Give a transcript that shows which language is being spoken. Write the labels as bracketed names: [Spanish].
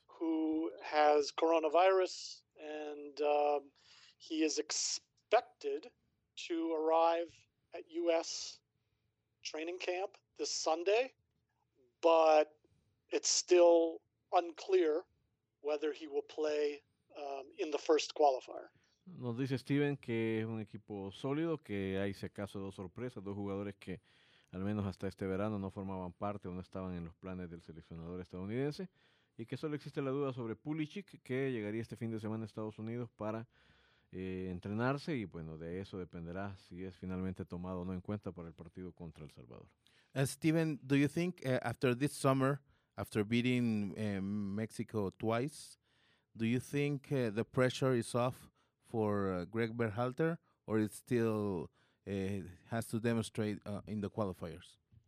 [English] who has coronavirus, and he is expected to arrive at U.S. training camp this Sunday, but it's still unclear whether he will play in the first qualifier. [Spanish] Nos dice Steven que es un equipo sólido, que hay, si acaso, dos sorpresas, dos jugadores que al menos hasta este verano no formaban parte o no estaban en los planes del seleccionador estadounidense, y que solo existe la duda sobre Pulisic, que llegaría este fin de semana a Estados Unidos para entrenarse, y bueno, de eso dependerá si es finalmente tomado o no en cuenta para el partido contra El Salvador. [English] Steven, do you think after this summer, after beating Mexico twice, do you think the pressure is off for Greg Berhalter, or it's still... has to demonstrate in the qualifiers?